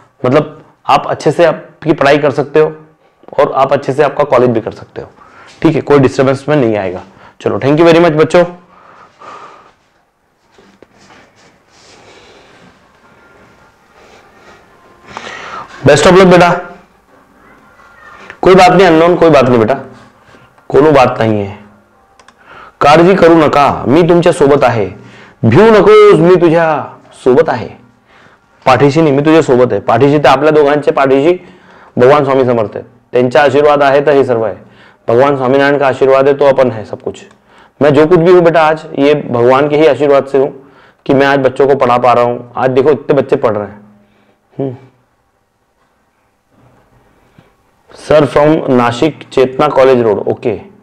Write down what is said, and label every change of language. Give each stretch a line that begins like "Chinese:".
Hindi: मतलब आप अच्छे से आपकी पढ़ाई कर सकते हो और आप अच्छे से आपका कॉलेज भी कर सकते हो, ठीक है, कोई डिस्टर्बेंस में नहीं आएगा।
English: चलो thank you very much बच्चों। Best of luck
Hindi: बेटा, कोई बात नहीं अननोन, कोई बात नहीं बेटा, कोनो बात नहीं है।
Marathi: कारजी करू नका, मी तुमच्या सोबत आहे, भिऊ नकोस, मी तुझ्या सोबत आहे, पाठीशी नाही, मी तुझ्या सोबत आहे। पाठीशी तर आपल्या दोघांचे पाठीशी भगवान स्वामी समर्थ आहे, त्यांचा आशीर्वाद आहे, तर हे सर्व आहे।
Hindi: भगवान स्वामीनारायण का आशीर्वाद है तो अपन है सब कुछ। मैं जो कुछ भी हूँ बेटा आज ये भगवान के ही आशीर्वाद से हूँ कि मैं आज बच्चों को पढ़ा पा रहा हूँ। आज देखो इतने बच्चे पढ़ रहे हैं। Sir from Nashik Chetna college road, okay.